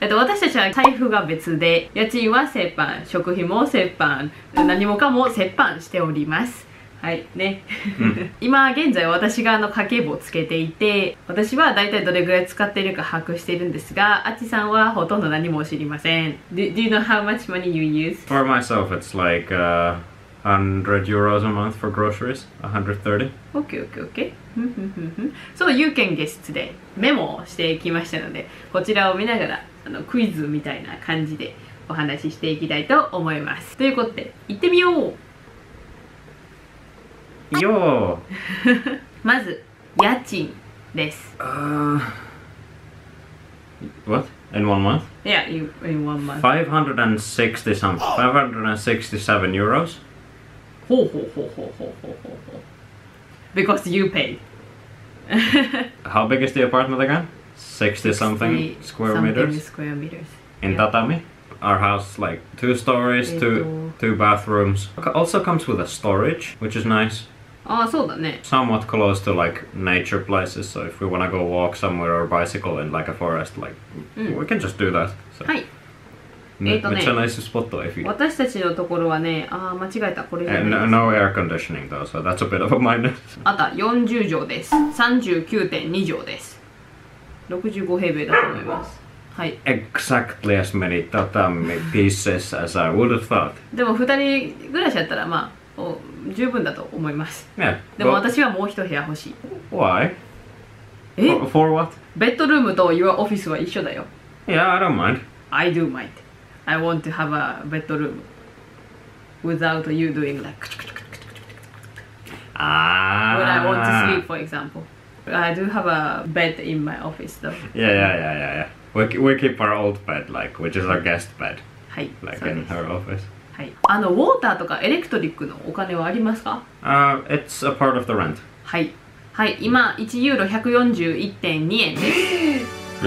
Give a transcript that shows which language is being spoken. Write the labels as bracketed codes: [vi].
[ja] 私たちは財布が別で、家賃は折半、食費も折半、何もかも折半しております。はいね、うん、今現在私があの家計簿をつけていて、私は大体どれぐらい使っているか把握しているんですが、あちさんはほとんど何も知りません。 [en] Do you know how much money you use? For myself, it's like 100 euros a month for groceries, 130. OK, OK, OK. So you can guess today. [ja] メモをしてきましたので、こちらを見ながらあのクイズみたいな感じでお話ししていきたいと思います。ということで行ってみよう。よう。まず家賃です。 [en] What? In one month? Yeah, in one month. 567 euros. Ho ho ho ho ho ho ho ho. Because you paid. How big is the apartment again? 60 something square meters. In tatami? Our house is like two stories, two bathrooms. Also comes with a storage, which is nice. [ja] ああ、そうだね。 [en] Somewhat close to like nature places, so if we wanna go walk somewhere or bicycle in like a forest, like、うん、we can just do that. So, はい。 [ja] めっちゃナイススポット、 [en] if you... [ja] 私たちのところはね、ああ、間違えた、これじゃないです。 [en] No air conditioning though, so that's a bit of a minus. [ja] あと40畳です。39.2 畳です。 65平米だと思います。はい。 [en] Exactly as many tatami pieces as I would have thought. [ja] でも2人暮らしだったらまあ、十分だと思います。 [en] Yeah, but... [ja] でも私はもう一部屋欲しい。 [en] Why? え for what? [ja] ベッドルームと [en] your office [ja] は一緒だよ。 [en] Yeah, I don't mind. I do mind. I want to have a bedroom without you doing like... Ah. When I want to sleep, for example. I do have a bed in my office though. Yeah. We keep our old bed, like, which is our guest bed. [ja] はい。 [en] Like in her office. [ja] はい、あのウォーターとかエレクトリックのお金はありますか？ [en] It's a part of the rent. [ja] はい、はい、今1ユーロ 141.2 円です。